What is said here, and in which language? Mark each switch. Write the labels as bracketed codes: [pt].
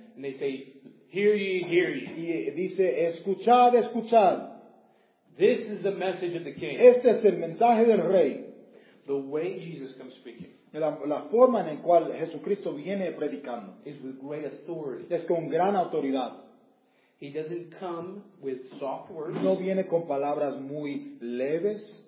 [en] And they say, hear ye, hear ye. [es] Y dice, escuchad, escuchad. [en] This is the message of the king. [es] Este es el mensaje del rey. [en] The way Jesus comes speaking. [es] La forma en la cual Jesucristo viene predicando [en] is with great authority. [es] Es con gran autoridad. [en] He doesn't come with soft words, [es] no viene con palabras muy leves,